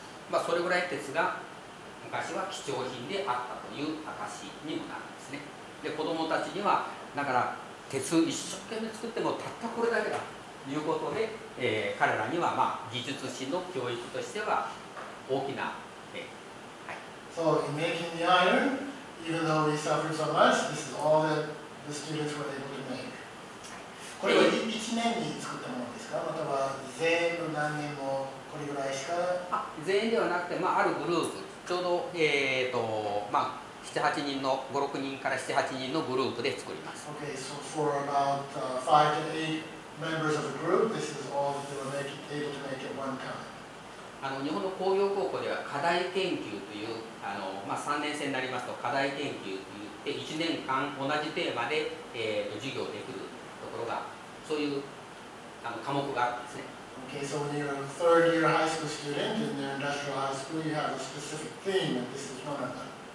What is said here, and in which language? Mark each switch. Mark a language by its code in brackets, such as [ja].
[ja] まあそれぐらい鉄が昔は貴重品であったという証にもなるんですね。で、子供たちにはだから鉄一生懸命作ってもたったこれだけだということで、彼らにはまあ技術士の教育としては大きな、はい。 [en] So in making the iron,Even though we suffered so much, this is all that the students were able to make. [ja] これは1年に作ったものですか？または全員の何年もこれぐらいしか？全員ではなくて、まあ、あるグループ、ちょうど、まあ、7、8人の、5、6人から7、8人のグループで作ります。 [en] Okay, so for about 5 to 8 members of a group, this is all that they were able to make at one time. [ja] 日本の工業高校では課題研究という、まあ、3年生になりますと課題研究といって1年間同じテーマで、授業できるところがそういう科目があるんですね。 [en] Okay, so when you're a third year high school student in their industrial high school, you have a specific theme, and this is one of them.